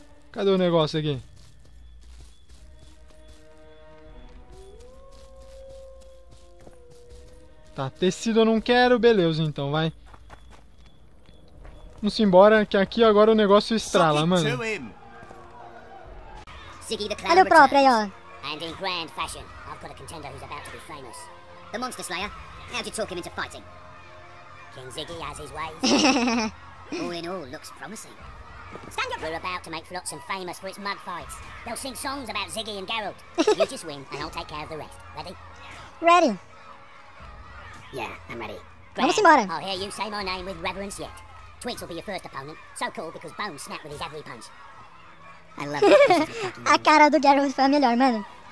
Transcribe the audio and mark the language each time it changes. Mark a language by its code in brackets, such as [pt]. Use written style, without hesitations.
[pt] Cadê o negócio aqui? Tá, tecido eu não quero. Beleza, então, vai. Vamos embora, que aqui agora o negócio estrala, mano. Olha o próprio aí, ó. [en] And in grand fashion, I've got a contender who's about to be famous. The Monster Slayer, how'd you talk him into fighting? King Ziggy has his ways. All in all, looks promising. Stand up! We're about to make Flotsam famous for its mud fights. They'll sing songs about Ziggy and Geralt. You just win, and I'll take care of the rest. Ready? Ready. Yeah, I'm ready. [pt] Vamos embora. [en] I'll hear you say my name with reverence yet. Twigs will be your first opponent. So cool, because Bones snap with his every punch. I love it. [pt] A cara do Geralt foi a melhor, mano.